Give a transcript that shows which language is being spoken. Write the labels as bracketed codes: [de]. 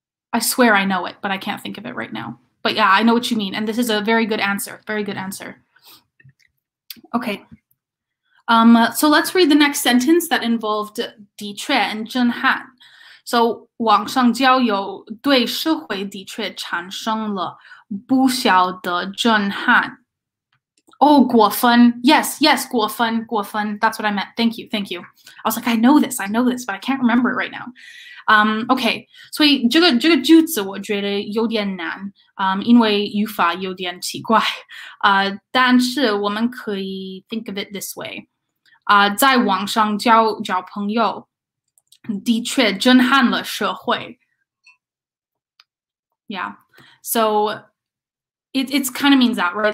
[en] I swear I know it，but I can't think of it right now. But yeah，I know what you mean，and this is a very good answer. Very good answer. Okay. So let's read the next sentence that involved 的确 and 震撼。 [zh] So 网上交友对社会的确产生了不小的震撼。哦，果分， [en] yes，果分，that's what I meant. Thank you. I was like, I know this, but I can't remember it right now. [zh] Okay，所以这个句子我觉得有点难，因为语法有点奇怪，但是我们可以 [en] think of it this way。 [zh] 在网上交朋友，的确震撼了社会。 [en] Yeah，so it kind of means that, right?